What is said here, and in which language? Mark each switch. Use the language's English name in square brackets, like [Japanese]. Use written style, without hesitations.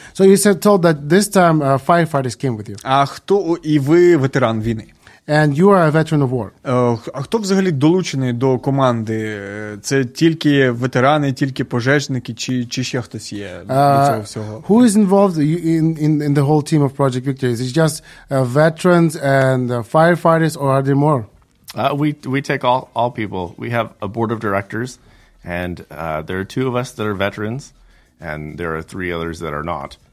[English] So you said told that this time firefighters came with you. [Ukrainian] А хто і ви ветеран війни? [English] And you are a veteran of war. [Ukrainian] А хто взагалі долучений до команди? Це тільки ветерани, тільки пожежники, чи ще хтось є до цього всього? [English] Who is involved in the whole team of Project Victory? Is it just veterans and firefighters, or are there more? We take all people. We have a board of directors, and there are two of us that are veterans, and there are three others that are not.